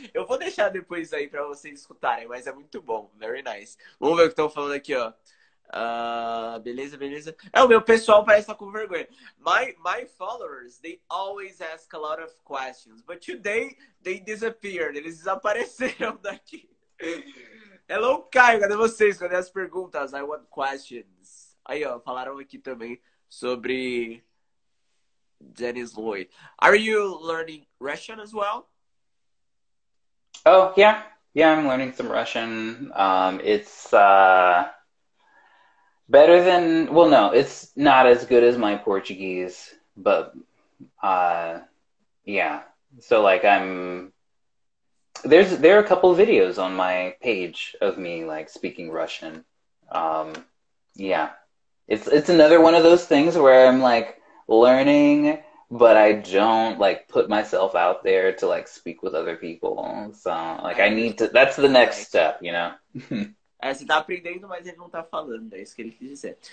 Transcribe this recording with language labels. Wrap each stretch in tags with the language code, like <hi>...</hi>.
<pt>Eu vou deixar depois aí pra vocês escutarem, mas é muito bom.</pt> <en>Very nice.</en> <pt>Vamos ver o que estão falando aqui, ó. Beleza, beleza. É, o meu pessoal parece estar com vergonha.</pt> <en>My followers, they always ask a lot of questions, but today they disappeared.</en> <pt>Eles desapareceram daqui. Hello, Caio, cadê vocês? Cadê as perguntas?</pt> <en>I want questions.</en> <pt>Aí, ó, falaram aqui também sobre Dennis Lloyd.</pt> <en>Are you learning Russian as well? Oh, yeah. Yeah, I'm learning some Russian. It's, better than, well, no, it's not as good as my Portuguese, but, yeah. So, like, I'm, there are a couple of videos on my page of me, like, speaking Russian. Yeah. It's another one of those things where I'm, like, learning, but I don't, like, put myself out there to, like, speak with other people. So, like, I need to, that's the next step, you know?</en> <pt>É, você tá aprendendo, mas ele não tá falando. É isso que ele quis dizer.</pt>